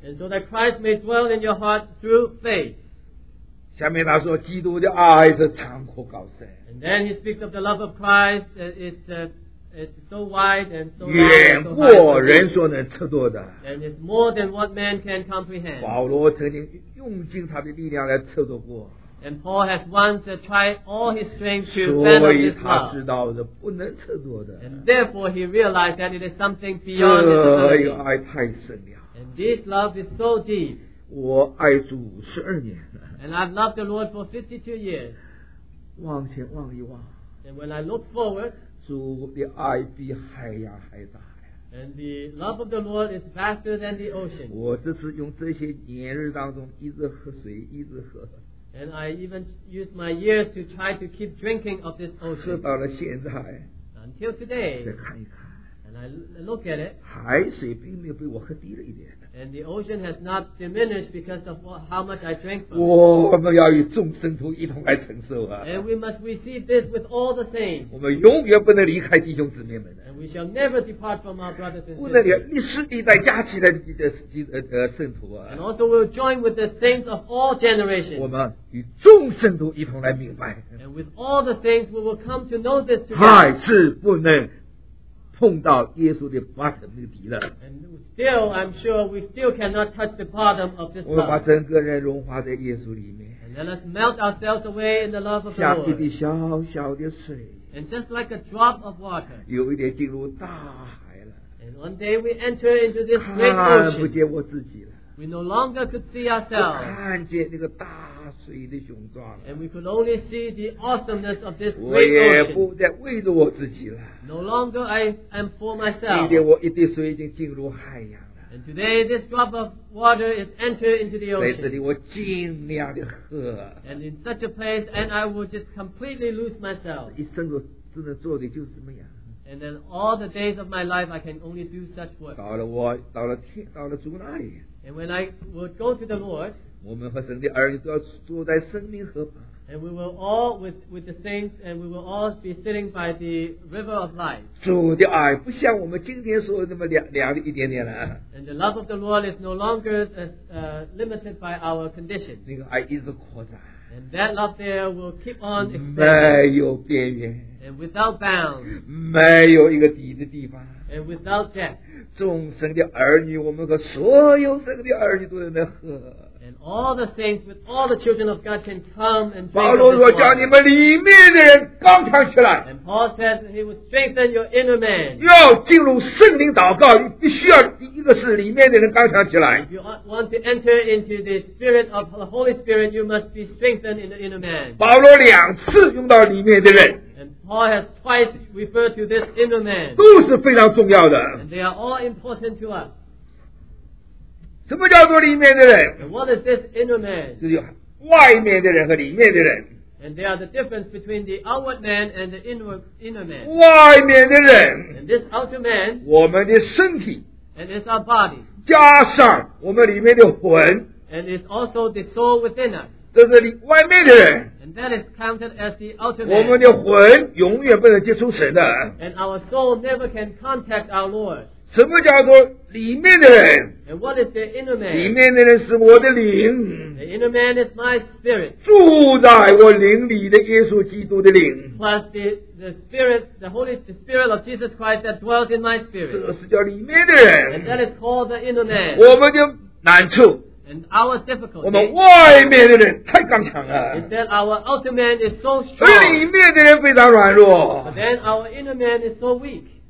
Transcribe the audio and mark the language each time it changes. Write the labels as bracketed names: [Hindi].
[English] and so that Christ may dwell in your heart through faith. [Chinese] 下面他说, 基督的爱是长阔高深, [English] and then he speaks of the love of Christ, it's so wide and so long. And so high for me. And it's more than what man can comprehend. And Paul has once tried all his strength to fathom this love. And therefore he realized that it is something beyond his ability. And this love is so deep. And I've loved the Lord for 52 years. [Chinese] 往前望一望, [English] and when I look forward, [Chinese] 主的爱比海洋还大呀。 [English] And the love of the Lord is vaster than the ocean. [Chinese] 我这是用这些年日当中一直喝水，一直喝。 [English] And I even use my years to try to keep drinking of this ocean. [Chinese] 喝到了现在, [English] until today. [Chinese] 再看一看, [English] and I look at it. [Chinese] 海水并没有比我喝低了一点。 [English] And the ocean has not diminished because of how much I drank from it. And we must receive this with all the saints. And we shall never depart from our brothers and sisters. And also we will join with the saints of all generations. And with all the saints we will come to know this together. [Chinese] 碰到耶稣的bottom那个底了。 [English] And still, I'm sure we still cannot touch the bottom of this love. [Chinese] 我把整个人融化在耶稣里面。 [English] And let us melt ourselves away in the love of the Lord. [Chinese] 像一滴小小的水。 [English] And just like a drop of water. [Chinese] 有一点进入大海了。 [English] And one day we enter into this great ocean. [Chinese] 看不见我自己了。 [English] We no longer could see ourselves. [Chinese] 看见那个大水的雄壮了。 [English] And we could only see the awesomeness of this great ocean. [Chinese] 我也不再为着我自己了。 [English] No longer I am for myself. [Chinese] 今天我一滴水已经进入海洋了。 [English] And today this drop of water is entered into the ocean. [Chinese] 在这里我尽量地喝。 [English] And in such a place, and I will just completely lose myself. [Chinese] 一生都真的做的就是什么呀? [English] And then all the days of my life, I can only do such work. [Chinese] 到了主那里, [English] and when I would go to the Lord, [Chinese] 我们和神的儿女都要坐在生命河旁, [English] and we will all with the saints, and we will all be sitting by the river of life. [Chinese] 主的爱不像我们今天说的那么凉凉的一点点了, [English] and the love of the Lord is no longer limited by our condition. [Chinese] 那个爱一直扩展, [English] and that love there will keep on expanding. And without bounds. [Chinese] 没有一个底的地方, [English] and without depth. [Chinese] 众生的儿女, 我们和所有生的儿女都能喝, [English] and all the saints with all the children of God can come and drink of this water. And Paul says he will strengthen your inner man. [Chinese] 要进入圣灵祷告, 你必须要第一个是里面的人刚强起来, [English] if you want to enter into the spirit of the Holy Spirit, you must be strengthened in the inner man. [Chinese] 保罗两次用到里面的人, [English] and Paul has twice referred to this inner man. [Chinese] 都是非常重要的, [English] and they are all important to us. [Chinese] 什么叫做里面的人? [English] And what is this inner man? [Chinese] 就是外面的人和里面的人, [English] and there are the difference between the outward man and the inner man. [Chinese] 外面的人, [English] and this outer man, [Chinese] 我们的身体, [English] and it's our body, [Chinese] 加上我们里面的魂, [English] and it's also the soul within us. [Chinese] 这是外面的人, [English] and that is counted as the ultimate. [Chinese] 我们的魂永远不能接触神的, [English] and our soul never can contact our Lord. [Chinese] 什么叫做里面的人? [English] And what is the inner man? [Chinese] 里面的人是我的灵, [English] the inner man is my spirit. [Chinese] 住在我灵里的耶稣基督的灵, [English] plus the spirit, the Holy the Spirit of Jesus Christ that dwells in my spirit. [Chinese] 这是叫里面的人, [English] and that is called the inner man. [Chinese] 我们就难处, [English] and our difficulty, [Chinese] 我们外面的人, 太刚强了, [English] is that our outer man is so strong, [Chinese] 里面的人非常软弱, [English] but then our inner man is so weak.